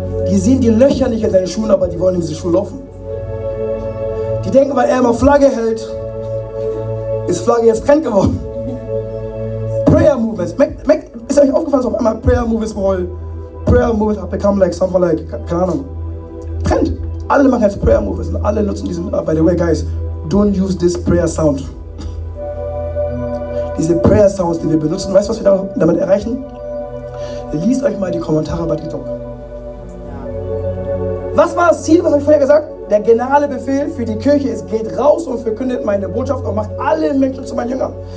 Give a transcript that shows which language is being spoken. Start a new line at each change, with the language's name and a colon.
German: Die sehen die Löcher nicht in seinen Schuhen, aber die wollen in diese Schuhe laufen. Die denken, weil er immer Flagge hält, ist Flagge jetzt Trend geworden. Prayer Movements. Ist euch aufgefallen, dass auf einmal
English: Prayer Movements wohl? Prayer Movements have become like something like,
German: keine Ahnung. Trend. Alle machen jetzt Prayer Movers und alle nutzen diesen.
English: By the way, guys, don't use this prayer sound.
German: Diese Prayer Sounds, die wir benutzen, weißt du, was wir damit erreichen? Liest euch mal die Kommentare bei TikTok. Was war das Ziel, was habe ich vorher gesagt? Der generelle Befehl für die Kirche ist, geht raus und verkündet meine Botschaft und macht alle Menschen zu meinen Jüngern.